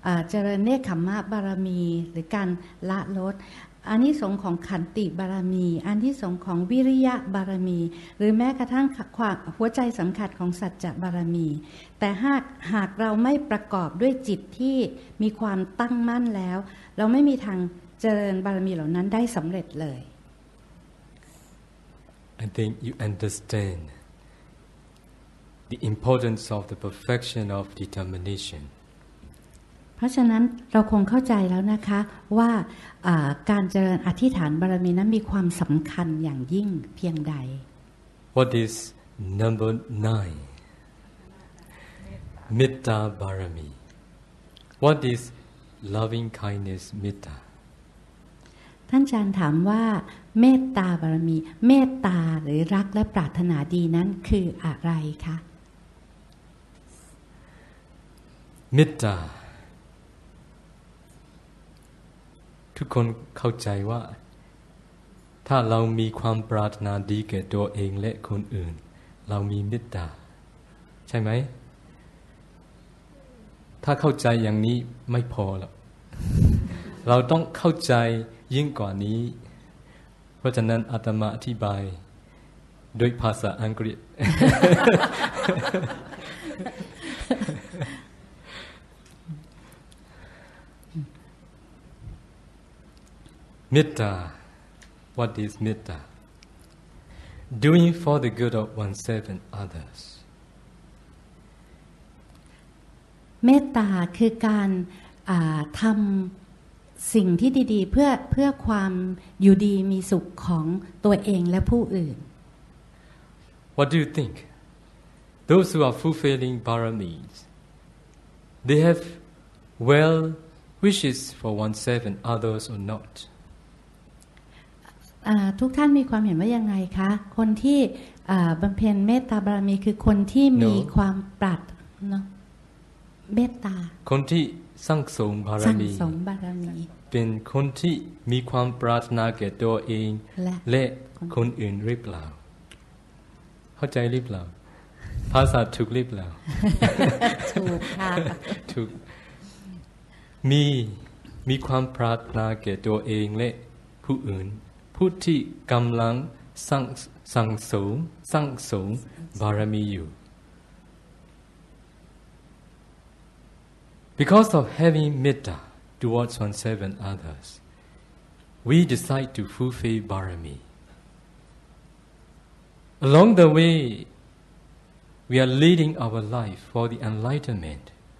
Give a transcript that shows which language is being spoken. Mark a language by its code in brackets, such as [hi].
[th] เจริญเนกขัมมะบารมีหรือการละลดอานิสงส์ของขันติบารมีอานิสงส์ของวิริยะบารมีหรือแม้กระทั่งความหัวใจสำคัญของสัจจะบารมีแต่หากเราไม่ประกอบด้วยจิตที่มีความตั้งมั่นแล้วเราไม่มีทางเจริญบารมีเหล่านั้นได้สำเร็จเลย [en] I think you understand the importance of the perfection of determination. [th] เพราะฉะนั้นเราคงเข้าใจแล้วนะคะว่าการเจริญอธิษฐานบารมีนั้นมีความสำคัญอย่างยิ่งเพียงใด [en] What is number 9 Metta Barami What is loving kindness Metta [th] ท่านอาจารย์ถามว่าเมตตาบารมีเมตตาหรือรักและปรารถนาดีนั้นคืออะไรคะ Mettaทุกคนเข้าใจว่าถ้าเรามีความปรารถนาดีแก่ตัวเองและคนอื่นเรามีเมตตาใช่ไหม ถ้าเข้าใจอย่างนี้ไม่พอหรอก เราต้องเข้าใจยิ่งกว่านี้เพราะฉะนั้นอาตมาอธิบายด้วยภาษาอังกฤษ [en] Metta, what is metta? Doing for the good of oneself and others. [th] Metta คือการทำสิ่งที่ดีๆเพื่อความอยู่ดีมีสุขของตัวเองและผู้อื่น [en] What do you think? Those who are fulfilling baramis, they have well wishes for oneself and others or not? [th] ทุกท่านมีความเห็นว่ายังไงคะคนที่บำเพ็ญเมตตาบารมีคือคนที่มีความปรารถนาเมตตา คนที่สร้างสมบารมี สร้างสมบารมี เป็นคนที่มีความปรารถนาแก่ตัวเอง และ คนอื่นหรือเปล่าเข้าใจหรือเปล่าภาษาถูกหรือเปล่า ถูกค่ะ ถูกมีความปรารถนาแก่ตัวเองและผู้อื่นผู้ที่กำลังสร้างสมบารมีอยู่ [en] Because of having metta towards oneself and others, we decide to fulfill barami. Along the way, we are leading our life for the enlightenment.